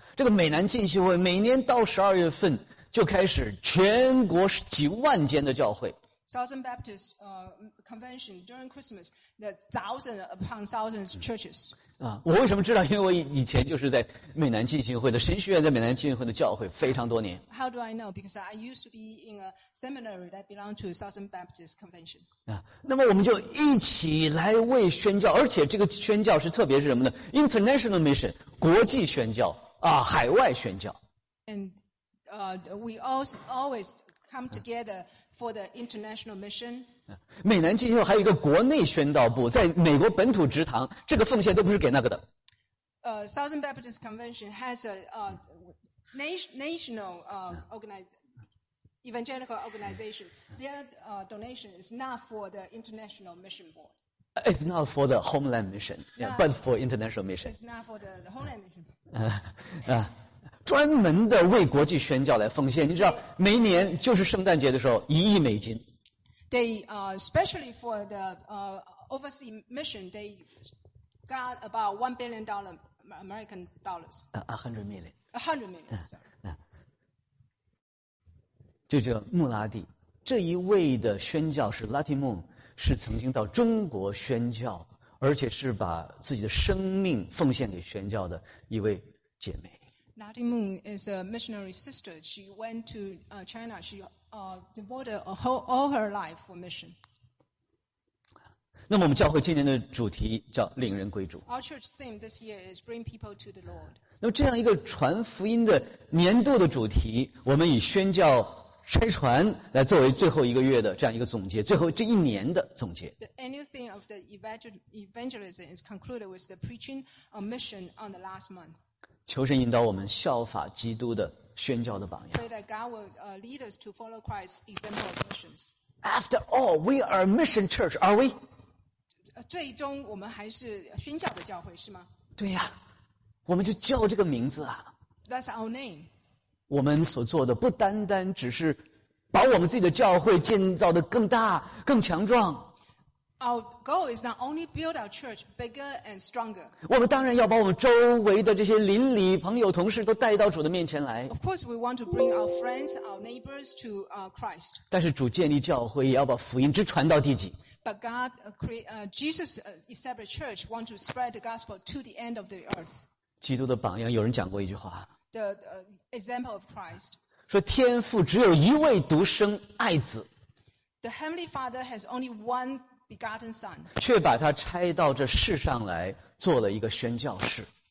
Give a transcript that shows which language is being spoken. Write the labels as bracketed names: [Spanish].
[Chinese] 这个美南浸信会每年到十二月份就开始全国几万间的教会。 [English] Southern Baptist Convention during Christmas, the thousands upon thousands of churches. [Chinese] 我为什么知道？因为我以前就是在美南浸信会的神学院，在美南浸信会的教会非常多年。 [English] How do I know? Because I used to be in a seminary that belonged to Southern Baptist Convention. [Chinese] 那么我们就一起来为宣教，而且这个宣教是特别是什么呢 ？ [English] International mission， [Chinese] 国际宣教啊，海外宣教。 [English] And we always come together. For the international mission. [Chinese] 美南浸信会还有一个国内宣道部，在美国本土职堂，这个奉献都不是给那个的。 [English] Southern Baptist Convention has a national evangelical organization. Their donation is not for the international mission board. It's not for the homeland mission, but for international mission. It's not for the homeland mission. [Chinese] 专门的为国际宣教来奉献，你知道，每年就是圣诞节的时候，$1亿。 [English] They especially for the overseas mission, they got about $1 billion American dollars. $100 million. $100 million. [Chinese] 就这个穆拉蒂这一位的宣教是拉蒂穆，是曾经到中国宣教，而且是把自己的生命奉献给宣教的一位姐妹。 [English] Nadi Moon is a missionary sister. She went to China. She devoted all her life for mission. [Chinese] 那么我们教会今年的主题叫领人归主。 [English] Our church theme this year is bring people to the Lord. [Chinese] 那么这样一个传福音的年度的主题，我们以宣教拆船来作为最后一个月的这样一个总结，最后这一年的总结。 [English] The annual theme of the evangelism is concluded with the preaching on mission on the last month. [Chinese] 求神引导我们效法基督的宣教的榜样。 [English] After all, we are a mission church, are we? [Chinese] 最终我们还是宣教的教会，是吗？对呀，我们就叫这个名字啊。 [English] That's our name. [Chinese] 我们所做的不单单只是把我们自己的教会建造得更大、更强壮。 [English] Our goal is not only build our church bigger and stronger. [Chinese] 我们当然要把我们周围的这些邻里、朋友、同事都带到主的面前来。 [English] Of course, we want to bring our friends, our neighbors to Christ. [Chinese] 但是主建立教会也要把福音之传到地极。 [English] But God Jesus established church, want to spread the gospel to the end of the earth. [Chinese] 基督的榜样，有人讲过一句话。 [English] The example of Christ. [Chinese] 说天父只有一位独生爱子。 [English] The Heavenly Father has only one. Begotten Son, [Chinese] 却把他差到这世上来做了一个宣教士。